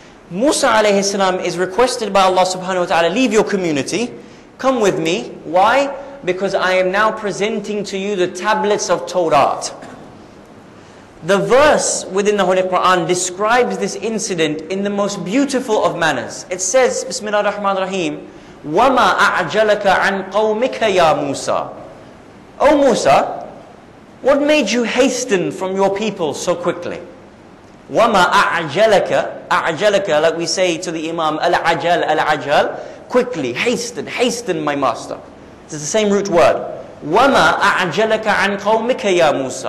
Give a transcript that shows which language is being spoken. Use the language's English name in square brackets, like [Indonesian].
[English] Musa alayhi salam is requested by Allah subhanahu wa ta'ala, leave your community, come with me. Why? Because I am now presenting to you the tablets of Torah. The verse within the Holy Quran describes this incident in the most beautiful of manners. It says, [Arabic] Bismillah ar-Rahman ar-Rahim, وَمَا أَعْجَلَكَ عَنْ قَوْمِكَ يَا مُوسَى. [English] O Musa, what made you hasten from your people so quickly? [Arabic] وَمَا أَعْجَلَكَ أَعْجَلَكَ, [English] like we say to the Imam, Al-Ajal, Al-Ajal, quickly, hasten, hasten, my master. It's the same root word. [Arabic] وَمَا أَعْجَلَكَ عَنْ قَوْمِكَ يَا مُوسَى.